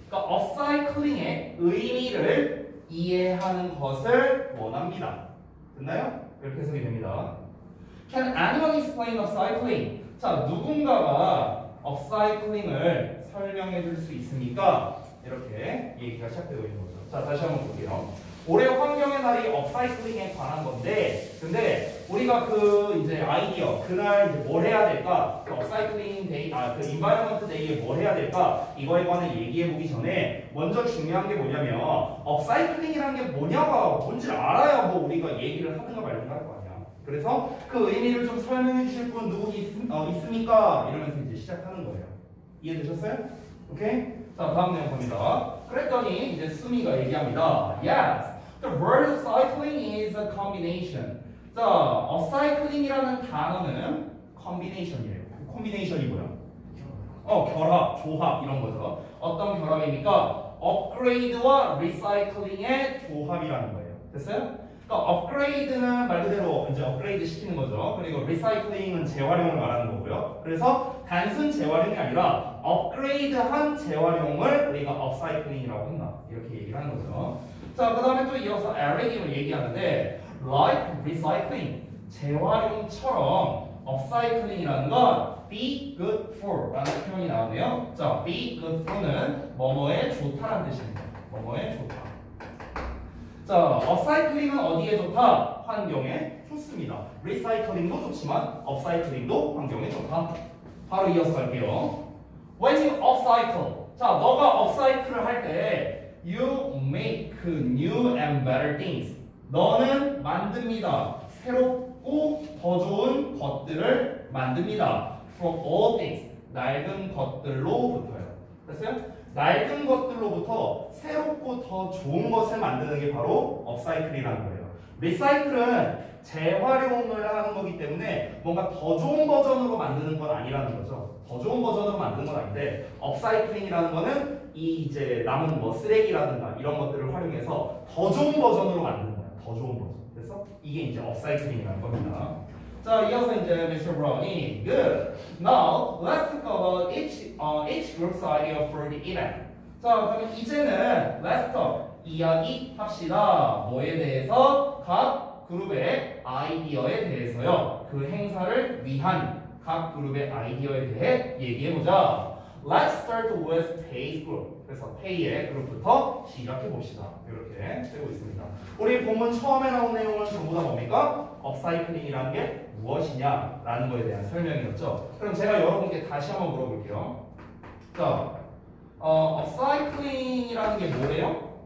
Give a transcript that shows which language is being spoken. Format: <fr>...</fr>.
<ko>그러니까 upcycling의 의미를 이해하는 것을 원합니다. 됐나요? 이렇게 해석이 됩니다.</ko> <en>Can anyone explain upcycling?</en> <ko>자, 누군가가 upcycling을 설명해 줄 수 있습니까? 이렇게 얘기가 시작되고 있는 거죠. 자, 다시 한번 볼게요. 올해 환경의 날이 upcycling에 관한 건데, 근데 우리가 그 이제 아이디어 그날 이제 뭘 해야 될까? 그 업사이클링 데이, 아, 그 인바이러먼트 데이에 뭘 해야 될까? 이거에 관해 얘기해 보기 전에 먼저 중요한 게 뭐냐면 업사이클링이란 게 뭐냐가 뭔지 알아야 뭐 우리가 얘기를 하든가 말든가 할 거 아니야. 그래서 그 의미를 좀 설명해 주실 분 누구 있습니까? 이러면서 이제 시작하는 거예요. 이해되셨어요? 오케이? 자, 다음 내용 봅니다. 그랬더니 이제 수미가 얘기합니다.</ko> <en>Yes, the word cycling is a combination.</en> <ko>자, upcycling이라는 단어는 combination이에요. 그 combination이 뭐야? 결합, 조합 이런 거죠. 어떤 결합입니까? upgrade와 recycling의 조합이라는 거예요. 됐어요? 그러니까 upgrade는 말 그대로 이제 업그레이드 시키는 거죠. 그리고 recycling은 재활용을 말하는 거고요. 그래서 단순 재활용이 아니라 업그레이드한 재활용을 우리가 업사이클링이라고 한다. 이렇게 얘기를 하는 거죠. 자, 그 다음에 또 이어서 에릭을 얘기하는데</ko> <en>like recycling,</en> <ko>재활용처럼 업사이클링이라는 건 be good for 라는 표현이 나오네요. 자, be good for는 뭐뭐에 좋다라는 뜻입니다. 뭐뭐에 좋다. 자, 업사이클링은 어디에 좋다? 환경에 좋습니다. 리사이클링도 좋지만 업사이클링도 환경에 좋다. 바로 이어서 갈게요.</ko> <en>When you upcycle,</en> <ko>자, 너가 업사이클을 할 때</ko> <en>you make new and better things.</en> <ko>너는 만듭니다. 새롭고 더 좋은 것들을 만듭니다.</ko> <en>From old things,</en> <ko>낡은 것들로부터요. 됐어요? 낡은 것들로부터 새롭고 더 좋은 것을 만드는 게 바로 업사이클이라는 거예요. 리사이클은 재활용을 하는 거기 때문에 뭔가 더 좋은 버전으로 만드는 건 아니라는 거죠. 더 좋은 버전으로 만드는 건 아닌데 업사이클링이라는 거는 이 이제 남은 뭐 쓰레기라든가 이런 것들을 활용해서 더 좋은 버전으로 만드는 거예요. 더 좋은 버전. 그래서 이게 이제 업사이클링이라는 겁니다. 자, 이어서 이제 Mr. Brown이 Good.</ko> <en>Now, let's talk about each group's idea for the event.</en> <ko>자, 그러면 이제는</ko> <en>let's talk,</en> <ko>이야기합시다. 뭐에 대해서 각 그룹의 아이디어에 대해서요. 그 행사를 위한 각 그룹의 아이디어에 대해 얘기해보자.</ko> <en>Let's start with Pay's group.</en> <ko>그래서 Pay의 그룹부터 시작해봅시다. 이렇게 되고 있습니다. 우리 본문 처음에 나온 내용은 전부 다 뭡니까? 업사이클링이라는 게 무엇이냐라는 거에 대한 설명이었죠. 그럼 제가 여러분께 다시 한번 물어볼게요. 자, 업사이클링이라는 게 뭐예요?</ko>